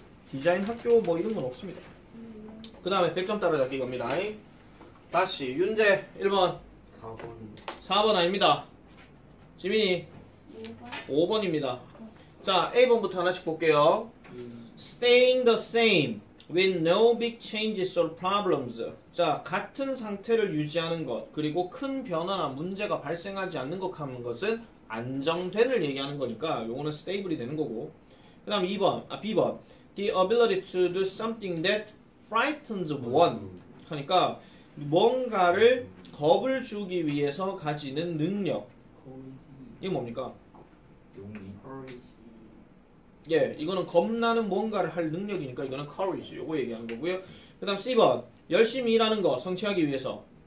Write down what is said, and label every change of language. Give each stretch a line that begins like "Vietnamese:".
Korean: 디자인 학교 뭐 이런 건 없습니다. 그 다음에 100점 따라잡기 겁니다. 다시 윤재 1번. 4번. 4번 아닙니다. 지민이 5번. 5번입니다. 자, A번부터 하나씩 볼게요.
English: Staying the same with no big changes or problems.
Korean: 자, 같은 상태를 유지하는 것 그리고 큰 변화나 문제가 발생하지 않는 것 하는 것은 안정된을 얘기하는 거니까 요거는 stable이 되는 거고. 그 다음 2번, 아 B번.
English: The ability to do something that frightens one.
Korean: 하니까 뭔가를 겁을 주기 위해서 가지는 능력. 이게 뭡니까? 용기.
English: Courage.
Korean: 예, 이거는 겁나는 뭔가를 할 능력이니까 이거는 courage. 요거 얘기하는 거고요. 그다음 C번. 열심히 일하는 거 성취하기 위해서.